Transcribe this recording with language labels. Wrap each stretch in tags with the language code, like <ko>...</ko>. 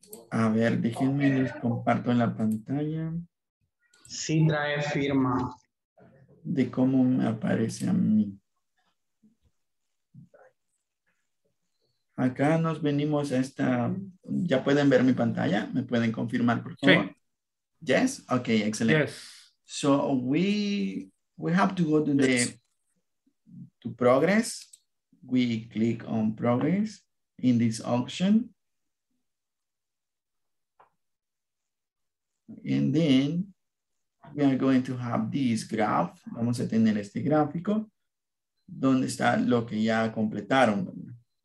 <es>A ver, déjenme, les comparto en la pantalla. Sí trae firma. De cómo me aparece a mí. Acá nos venimos a esta, ¿ya pueden ver mi pantalla? ¿Me pueden confirmar, por favor? Sí.</es> <en>Yes, ok, excelente. Yes. So we have to go to the to progress. We click on progress in this option. And then we are going to have this graph.</en> <es>Vamos a tener este gráfico donde está lo que ya completaron.</es>